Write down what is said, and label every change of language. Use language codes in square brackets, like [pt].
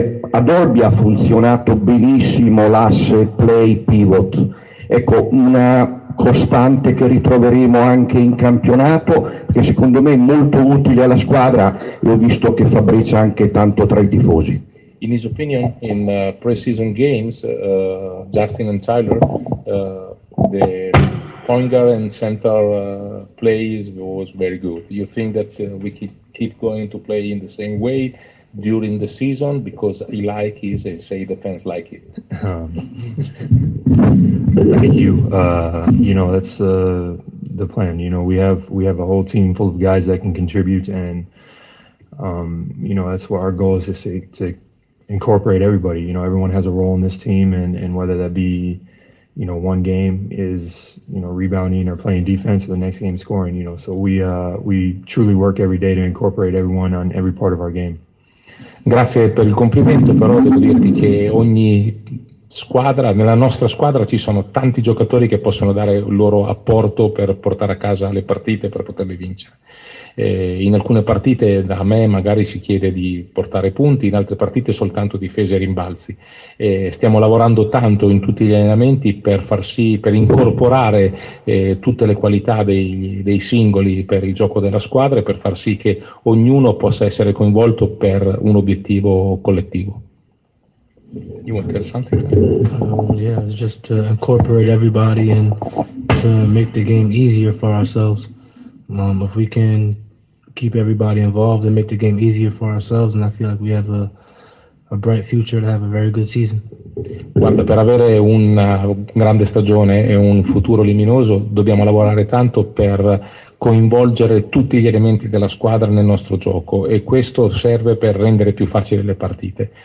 [it] Ad Orbi ha funzionato benissimo l'asse play pivot. Ecco, una costante che ritroveremo anche in campionato, che secondo me è molto utile alla squadra e ho visto che Fabrizio anche tanto tra i tifosi. [en] In his opinion, in preseason games, Justin and Tyler, the point guard and center plays was very good. Do you think that we could keep going to play in the same way during the season? Because he like it, and say the fans like it. Thank you. You know, that's the plan. You know, we have a whole team full of guys that can contribute, and you know, that's what our goal is, to incorporate everybody. You know, everyone has a role in this team, and whether that be, you know, one game is, you know, rebounding or playing defense, or the next game scoring, you know. So we truly work every day to incorporate everyone on every part of our game. [it] Grazie per il complimento, però devo dirti che ogni squadra, nella nostra squadra ci sono tanti giocatori che possono dare il loro apporto per portare a casa le partite, per poterle vincere. In alcune partite da me magari si chiede di portare punti, in altre partite soltanto difese e rimbalzi. Stiamo lavorando tanto in tutti gli allenamenti per far sì, per incorporare tutte le qualità dei singoli per il gioco della squadra e per far sì che ognuno possa essere coinvolto per un obiettivo collettivo. [en] You want to say something? Yeah, it's just to incorporate everybody and to make the game easier for ourselves. If we can keep everybody involved and make the game easier for ourselves, and I feel like we have a bright future to have a very good season. [it] Guarda, per avere una grande stagione e un futuro luminoso, dobbiamo lavorare tanto per coinvolgere tutti gli elementi della squadra nel nostro gioco, e questo serve per rendere più facili le partite.